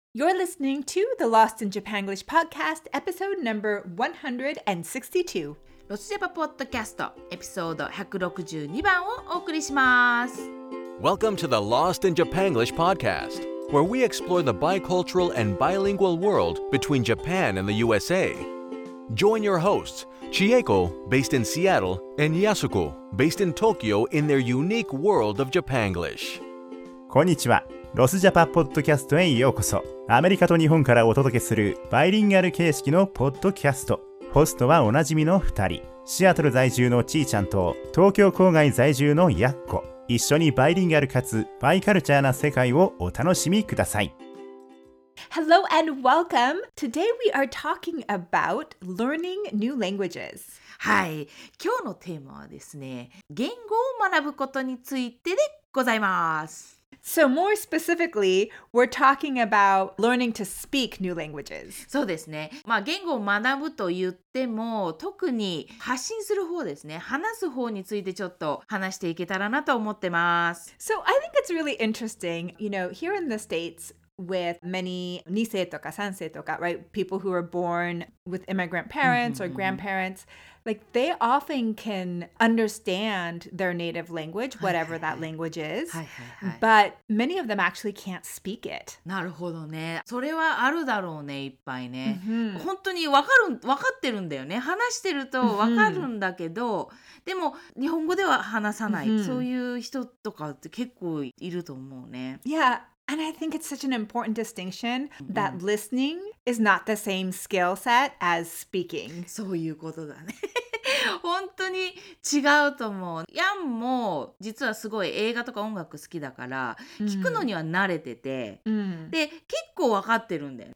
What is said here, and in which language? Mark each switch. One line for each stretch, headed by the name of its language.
English: You're listening to the Lost in Japanglish podcast, episode number 162.
Japanese: ロスジャパポッドキャストエピソード162番をお送りします。
English: Welcome to the Lost in Japanglish podcast, where we explore the bicultural and bilingual world between Japan and the USA. Join your hosts, Chieko, based in Seattle, and Yasuko, based in Tokyo, in their unique world of Japanglish.
Japanese: こんにちは。ロスジャパポッドキャストへようこそ。アメリカと日本からお届けするバイリンガル形式のポッドキャスト。ホストはおなじみの2人、シアトル在住のちーちゃんと東京郊外在住のやっこ。一緒にバイリンガルかつバイカルチャーな世界をお楽しみください。
English: Hello and welcome. Today we are talking about learning new languages.
Japanese: はい、今日のテーマはですね、言語を学ぶことについてでございます。
English: So more specifically, we're talking about learning to speak new languages.
Japanese: そうですね。まあ言語を学ぶと言っても、特に発信する方ですね。話す方についてちょっと話していけたらなと思ってます。
English: So I think it's really interesting, you know, here in the States, with many
Japanese: 2世とか3世とか、
English: right? People who are born with immigrant parents or grandparents, like they often can understand their native language, whatever that language is, but many of them actually can't speak it.
Japanese: なるほどね。それはあるだろうね、いっぱいね。本当に分かってるんだよね。話してると分かるんだけど、でも日本語では話さない。そういう人とかって結構いると思うね。
English: And I think it's such an important distinction that listening is not the same skill set as speaking.
Japanese: そういうことだね。本当に違うと思う。ヤンも実はすごい映画とか音楽好きだから、聞くのには慣れてて、で、結構わかってるんだよ。